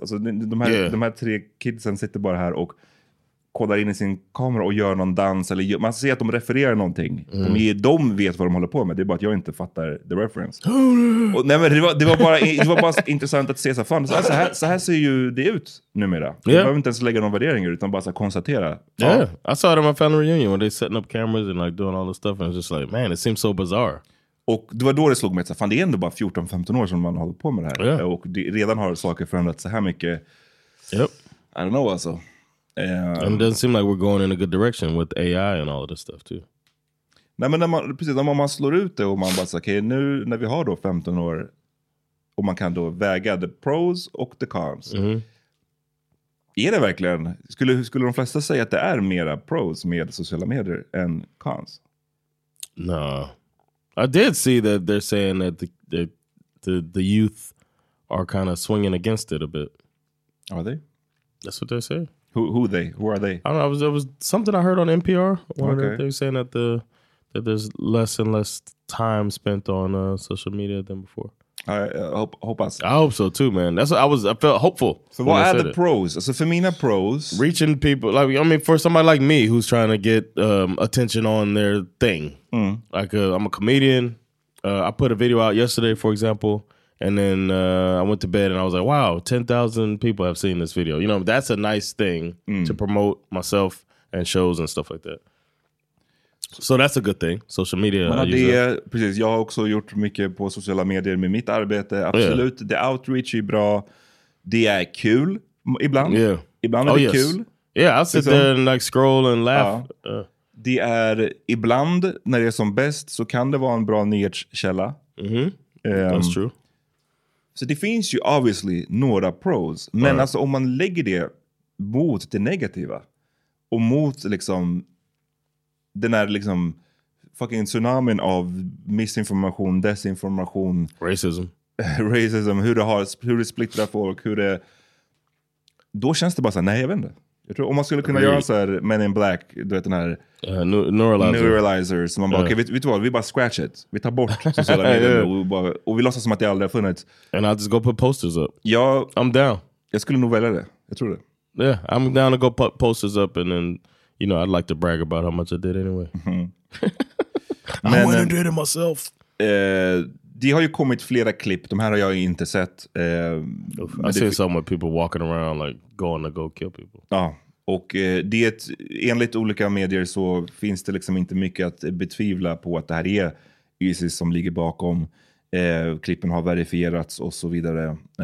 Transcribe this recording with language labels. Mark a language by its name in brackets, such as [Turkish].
[Swedish] Alltså de här tre kidsen sitter bara här och kollar in i sin kamera och gör någon dans, eller man ser att de refererar någonting. Mm. De vet vad de håller på med, det är bara att jag inte fattar [English] the reference. [Swedish] Och, nej, men det var bara intressant att se så här, fan, så här ser ju det ut numera. Jag behöver inte ens lägga någon värdering utan bara så konstatera. [English] Yeah, I saw it at my family reunion when they setting up cameras and like doing all this stuff, and it's just like, man, it seems so bizarre. [Swedish] Och det var då det slog mig att så här, fan, det är ändå bara 14-15 år som man håller på med det här. [English] Yeah. [Swedish] Och redan har saker förändrats så här mycket. [English] Yep. I don't know [Swedish] alltså. [English] And it doesn't seem like we're going in a good direction with AI and all of this stuff too. [Swedish] Nej, men när man slår ut det och man bara säger, okay, nu när vi har då 15 år och man kan då väga [English] the pros [Swedish] och [English] the cons. Mm-hmm. [Swedish] Är det verkligen, skulle de flesta säga att det är mera pros med sociala medier än cons? [English] No. I did see that they're saying that the youth are kind of swinging against it a bit. Are they? That's what they're saying. Who they? Who are they? I don't know. It was something I heard on NPR. They were saying that that there's less and less time spent on social media than before. I hope so too, man. That's what I felt hopeful. So what are the pros? So for me, the pros, reaching people. Like, I mean, for somebody like me who's trying to get attention on their thing. Mm. Like I'm a comedian. I put a video out yesterday, for example. And then I went to bed and I was like, wow, 10,000 people have seen this video. You know, that's a nice thing to promote myself and shows and stuff like that. So that's a good thing. Social media. [Swedish] Precis. Jag har också gjort mycket på sociala medier med mitt arbete. Absolut. [English] Yeah. The outreach [Swedish] är bra. Det är kul ibland. [English] Yeah. [Swedish] Ibland är det kul. [English] Yeah, I'll sit there and like scroll and laugh. [Swedish] Det är ibland, när det är som bäst, så kan det vara en bra nyhetskälla. [English] Mm-hmm. That's true. [Swedish] Så det finns ju [English] obviously [Swedish] några pros. Men [English] right. [Swedish] alltså om man lägger det mot det negativa. Och mot liksom den här liksom fucking tsunamin av misinformation, desinformation. [English] Racism. [Swedish] Racism, hur det splittrar folk, hur det... Då känns det bara så här, nej jag vet inte. Jag tror om man skulle kunna göra så här Men in Black, du vet den här [English] neuralizer [Swedish] som man bara, okej, vet du vad, vi bara [English] scratch it. [Swedish] Vi tar bort sociala medier och vi låtsas som att det aldrig har funnits. [English] And I'll just go put posters up. I'm down. [Swedish] Jag skulle nog välja det, jag tror det. [English] Yeah, I'm down to go put posters up and then, you know, I'd like to brag about how much I did anyway. Mm-hmm. I went and did it myself. [Swedish] Det har ju kommit flera klipp. De här har jag inte sett. [English] I've seen some of people walking around like going to go kill people. [Swedish] Ja, och enligt olika medier så finns det liksom inte mycket att betvivla på att det här är ISIS som ligger bakom. Klippen har verifierats och så vidare.